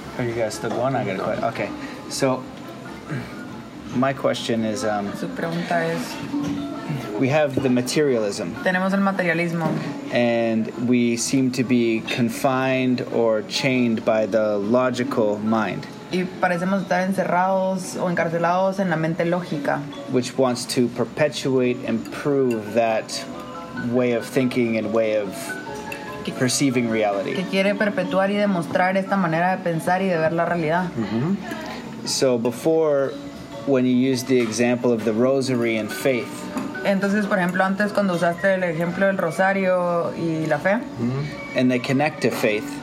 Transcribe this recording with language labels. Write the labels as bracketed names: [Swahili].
[English] Are you guys still going? I got a question. Okay. So, my question is. [Spanish] Su pregunta es. [English] We have the materialism. [Spanish] Tenemos el materialismo. [English] And we seem to be confined or chained by the logical mind. [Spanish] Y parecemos estar encerrados o encarcelados en la mente lógica. [English] Which wants to perpetuate and prove that way of thinking and way of perceiving reality. [Spanish] Que quiere perpetuar y demostrar esta manera de pensar y de ver la realidad. [English] Mm-hmm. So before, when you used the example of the rosary and faith, [Spanish] entonces, por ejemplo, antes cuando usaste el ejemplo del rosario y la fe, [English] and they connect to faith,